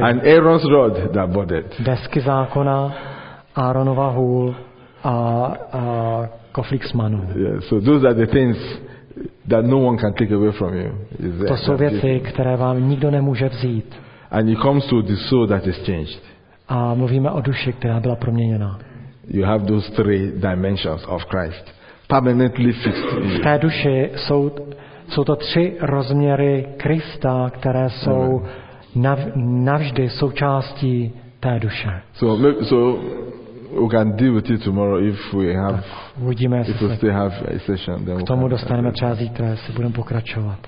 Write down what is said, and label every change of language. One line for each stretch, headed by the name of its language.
English: And Aaron's rod that budded.
Czech: Desky zákona, Aaronova hůl a koflík s manou.
English: Yeah, so those are the things that no one can take away from you.
Czech: To jsou věci, které vám nikdo nemůže vzít.
English: And it comes to the soul that is changed.
Czech: A mluvíme o duši, která byla proměněna.
English: You have those three dimensions of Christ permanently fixed.
Czech: V té duši jsou to tři rozměry Krista, které jsou navždy součástí té duše.
English: So we can deal with it tomorrow if we have.
Czech: Uvidíme,
English: if we still have a session, then
Czech: k tomu dostaneme třeba zítra, jestli budeme pokračovat.